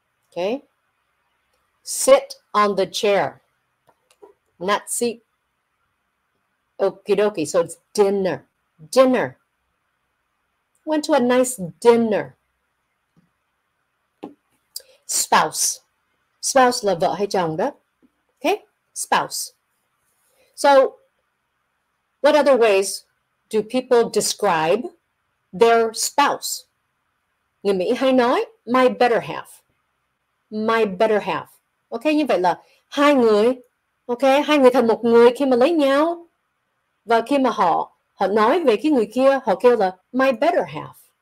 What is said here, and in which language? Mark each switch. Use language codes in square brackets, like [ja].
[en] Okay. Sit on the chair. Not seat. Okie dokie. So it's dinner. Dinner. Went to a nice dinner. Spouse. [vi] Spouse là vợ hay chồng đó. [en] Okay? Spouse. So, what other ways do people describe their spouse? [vi] Người Mỹ hay nói, [en] my better half. My better half. Okay? [vi] Như vậy là hai người. [en] Okay? [vi] Hai người thành một người khi mà lấy nhau. Và khi mà họ họ nói về cái người kia, họ kêu là [en] my better half.